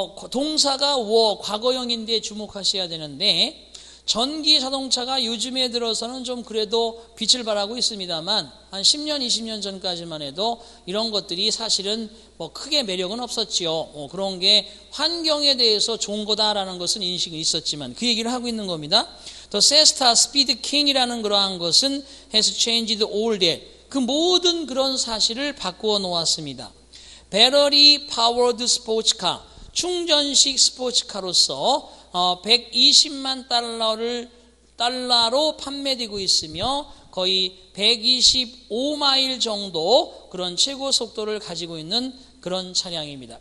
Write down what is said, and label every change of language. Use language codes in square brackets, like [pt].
[ko] 동사가 워, 과거형인데 주목하셔야 되는데 전기 자동차가 요즘에 들어서는 좀 그래도 빛을 발하고 있습니다만 한 10년, 20년 전까지만 해도 이런 것들이 사실은 뭐 크게 매력은 없었지요. 그런 게 환경에 대해서 좋은 거다라는 것은 인식이 있었지만 그 얘기를 하고 있는 겁니다. [en] The Cesta Speed King [ko] 이라는 그러한 것은 [en] has changed all that. [ko] 그 모든 그런 사실을 바꾸어 놓았습니다. [en] Battery Powered Sports Car, [ko] 충전식 스포츠카로서 $120만 달러로 판매되고 있으며 거의 125마일 정도 그런 최고 속도를 가지고 있는 그런 차량입니다.